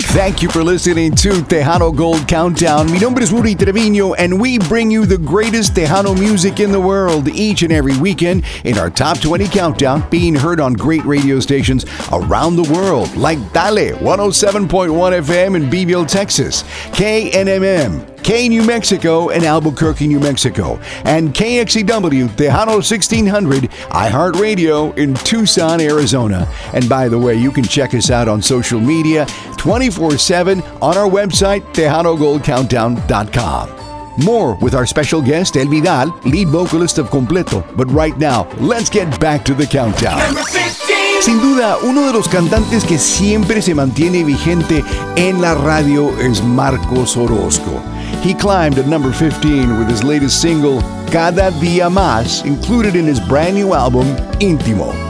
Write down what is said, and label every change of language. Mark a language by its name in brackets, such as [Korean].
[English] Thank you for listening to Tejano Gold Countdown. [Spanish] Mi nombre es Rudy Treviño, [English] and we bring you the greatest Tejano music in the world each and every weekend in our Top 20 Countdown, being heard on great radio stations around the world, like Dale 107.1 FM in Beeville, Texas, KNMM, K New Mexico in Albuquerque, New Mexico, and KXEW Tejano 1600 iHeartRadio in Tucson, Arizona. And by the way, you can check us out on social media 24/7 on our website, TejanoGoldCountdown.com. More with our special guest, El Vidal, lead vocalist of Completo. But right now, let's get back to the countdown. [Spanish] Sin duda, uno de los cantantes que siempre se mantiene vigente en la radio es Marcos Orozco. [English] He climbed at number 15 with his latest single, Cada Día Más, included in his brand new album, Íntimo.